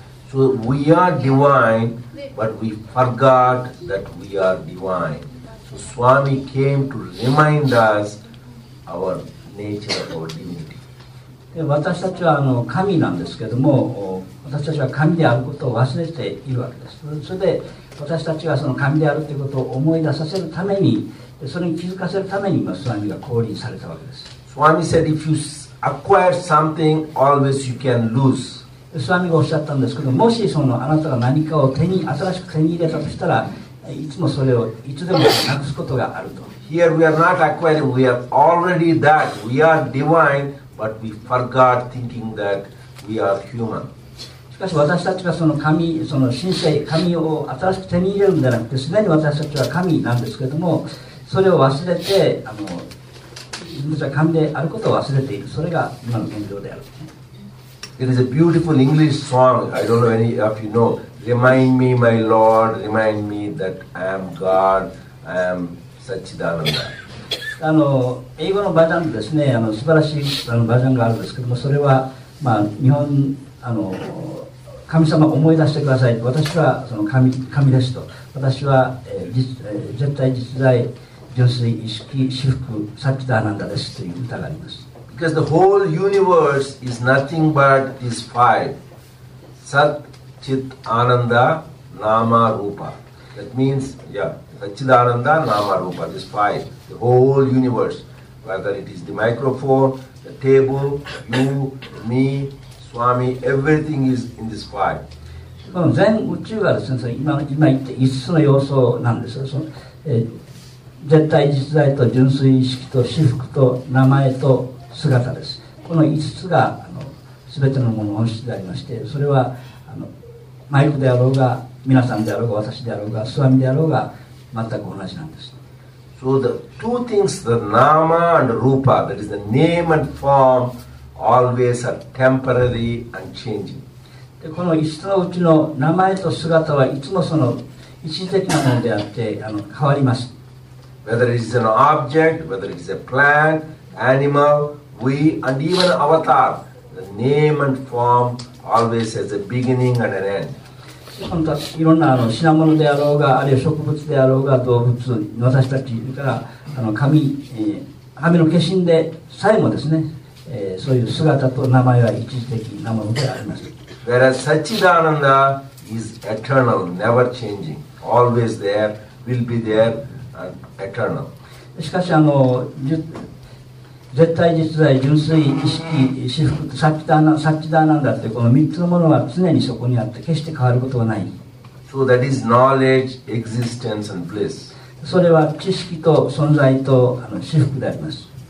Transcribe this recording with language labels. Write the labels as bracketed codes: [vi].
[en] So we are divine, but we forgot that we are divine. So Swami came to remind us our nature, our divinity. [ja] 私たちはあの神なんですけども、私たちは神であることを忘れているわけです。それで私たちはその神であるということを思い出させるために、それに気づかせるために今スワミが降臨されたわけです。 [en] スワミ said, if you acquire something, always you can lose. [ja] スワミがおっしゃったんですけど、もしそのあなたが何かを新しく手に入れたとしたら、いつもそれをいつでもなくすことがあると。 [en] Here we are not acquiring, we are already that. We are divine. But we forgot thinking that we are human. [ja] しかし私たちがその神、その神聖、神を新しく手に入れるんではなくて、すでに私たちは神なんですけれども、それを忘れて、あの自分たちは神であることを忘れている。それが今の現状である。 [en] It is a beautiful English song. I don't know any of you know. Remind me, my Lord, remind me that I am God. I am Satchidananda. [ja] あの英語のバージョンですね、あの素晴らしいあのバージョンがあるんですけども、それは、まあ、日本あの神様思い出してください、私はその 神ですと、私は、絶対実在純粋意識至福サッチダーナンダですという歌があります。 [en] Because the whole universe is nothing but these five サッチダーナンダナーマルーパ That means yeahSachidananda, Nama, Rupa, these five, the whole universe, whether it is the microphone, the table, you, me, Swami, everything is in these five. [ja] この全宇宙がですね、今言って5つの要素なんですよ。その、絶対実在と純粋意識と至福と名前と姿です。この5つがあの全てのものの本質でありまして、それはあのマイクであろうが、皆さんであろうが、私であろうが、スワミであろうが、全く同じなんです。 [en] So the two things, the nama and rupa, that is the name and form, always are temporary and changing. [ja] で、この5つのうちの名前と姿はいつもその一時的なものであって、あの変わります。 [en] Whether it is an object, whether it is a plant, animal, we and even avatar, the name and form always has a beginning and an end. [ja] 本当いろんなあの品物であろうが、あるいは植物であろうが、動物、私たち、それからあの神、神の化身でさえもですね、そういう姿と名前は一時的なものであります。 [en] Whereas Satchidananda is eternal, never changing, always there, will be there, and eternal. [ja] しかし、あの絶対実在、純粋、意識、至福、サッチダーナンダってこの3つのものは常にそこにあって決して変わることはない。 [en] So that is knowledge, existence and bliss. [ja] それは知識と存在とあの至福であります。